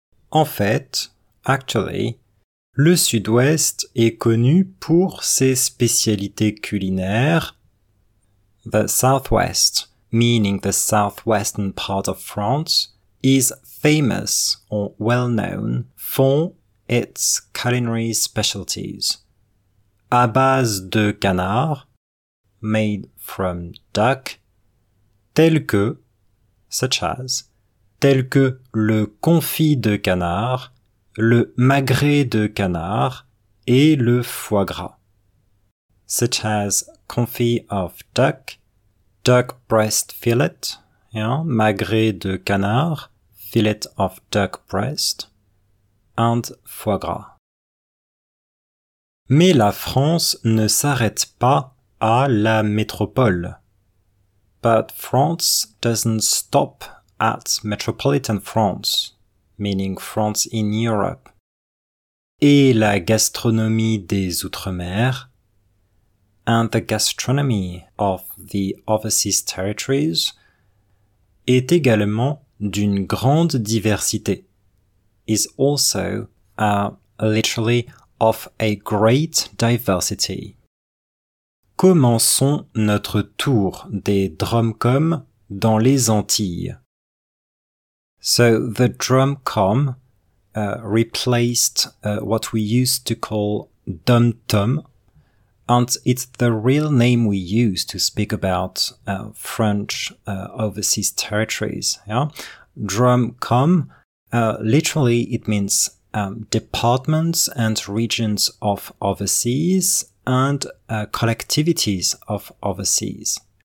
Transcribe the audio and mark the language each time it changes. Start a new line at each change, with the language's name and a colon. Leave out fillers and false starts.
French: En fait,
English: actually,
French: le sud-ouest est connu pour ses spécialités culinaires.
English: The southwest, meaning the southwestern part of France, is famous or well known for its culinary specialties.
French: À base de canard,
English: made from duck,
French: tel que,
English: such as,
French: tel que le confit de canard, le magret de canard et le foie gras.
English: Such as confit of duck, duck breast fillet,
French: magret de canard,
English: fillet of duck breast, and foie gras.
French: Mais la France ne s'arrête pas à la métropole.
English: But France doesn't stop at metropolitan France, meaning France in Europe.
French: Et la gastronomie des Outre-mer,
English: and the gastronomy of the overseas territories,
French: est également d'une grande diversité,
English: is also literally of a great diversity.
French: Commençons notre tour des drumcoms dans les Antilles.
English: So the drumcom replaced what we used to call dumtum, and it's the real name we use to speak about French overseas territories. Yeah, drumcom, literally it means departments and regions of overseas and collectivities of overseas.